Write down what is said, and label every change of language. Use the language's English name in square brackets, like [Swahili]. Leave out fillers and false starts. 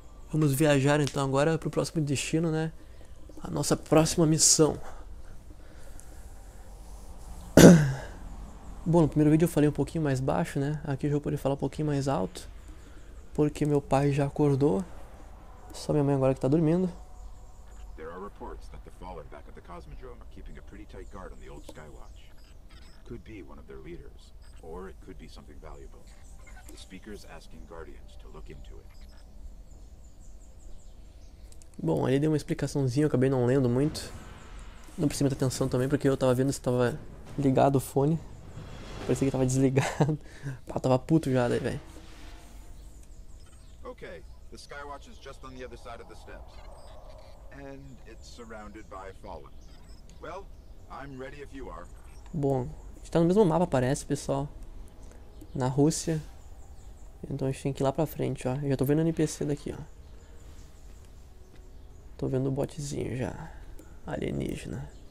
[Portuguese] Vamos viajar então agora para o próximo destino, né? A nossa próxima missão. Bom, no primeiro vídeo eu falei um pouquinho mais baixo, né? Aqui eu já vou poder falar um pouquinho mais alto, porque meu pai já acordou. Só minha mãe agora que tá dormindo. [English] There are reports that the Fallen back at the Cosmodrome are keeping a pretty tight guard on the old Skywatch. Could be one of their leaders, or it could be something valuable. The speaker's asking guardians to look into it. [Portuguese] Bom, ele deu uma explicaçãozinha, eu acabei não lendo muito. Não precisa muita atenção também, porque eu tava vendo se tava ligado o fone. Parecia que tava desligado. Pá, tava puto já daí, velho. [English] Ok, the Skywatch is just on the other side of the steps. And it's surrounded by Fallen. Well, I'm ready if you are. [Portuguese] Bom, a gente tá no mesmo mapa, parece, pessoal. Na Rússia. Então a gente tem que ir lá pra frente, ó. Eu já tô vendo o NPC daqui, ó. Tô vendo o botzinho já. Alienígena.